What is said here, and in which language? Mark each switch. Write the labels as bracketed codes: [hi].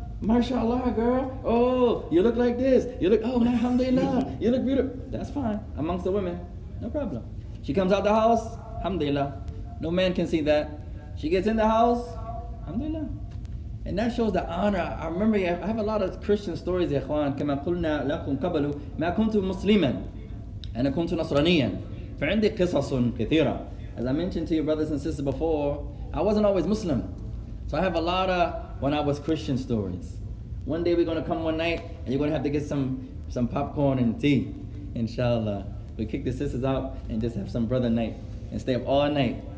[en] MashaAllah, girl. Oh, you look like this. You look, oh, alhamdulillah. You look beautiful. That's fine. Amongst the women. No problem. She comes out the house. Alhamdulillah. No man can see that. She gets in the house. Alhamdulillah. And that shows the honor. I remember, I have a lot of Christian stories, إخوان. [ar] كما قلنا لكم قبل ما كنت مسلما أنا كنت نصرانيا. فعندي قصص كثيرة. [en] As I mentioned to you brothers and sisters before, I wasn't always Muslim. So I have a lot of when I was Christian stories. One day we're going to come one night and you're going to have to get some popcorn and tea. Inshallah. We kick the sisters out and just have some brother night and stay up all night.